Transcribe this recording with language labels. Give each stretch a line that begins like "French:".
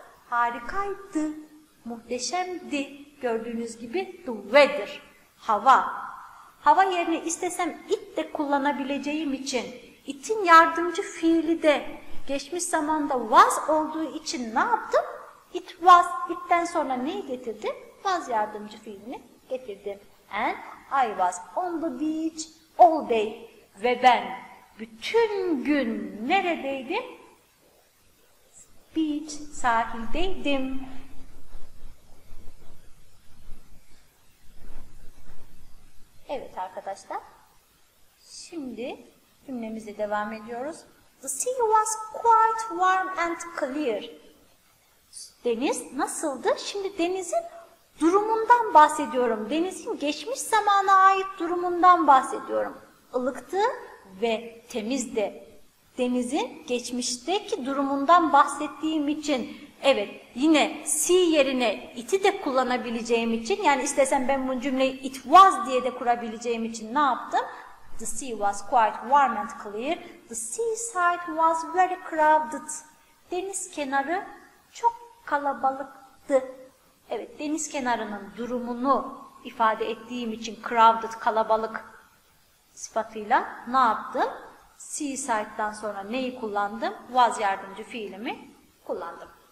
Turkish: Harikaydı, muhteşemdi. Gördüğünüz gibi
English: the weather,
Turkish: hava. Hava yerine istesem it de kullanabileceğim için, itin yardımcı fiili de geçmiş zamanda was olduğu için ne yaptım?
English: It was,
Turkish: it'ten sonra neyi getirdim? Was yardımcı fiilini getirdim.
English: And I was on the beach all day.
Turkish: Ve ben bütün gün neredeydim? Beach, sahildeydim. Evet arkadaşlar, şimdi cümlemize devam ediyoruz.
English: The sea was quite warm and clear.
Turkish: Deniz nasıldı? Şimdi denizin durumundan bahsediyorum. Denizin geçmiş zamana ait durumundan bahsediyorum. Ilıktı ve temizdi. Denizin geçmişteki durumundan bahsettiğim için, evet yine sea yerine it'i de kullanabileceğim için, yani istesem ben bu cümleyi
English: it was
Turkish: diye de kurabileceğim için ne yaptım?
English: The sea was quite warm and clear. The seaside was very crowded.
Turkish: Deniz kenarı çok kalabalıktı. Evet, deniz kenarının durumunu ifade ettiğim için crowded, kalabalık sıfatıyla ne yaptım? Seaside'dan sonra neyi kullandım? Was yardımcı fiilimi kullandım.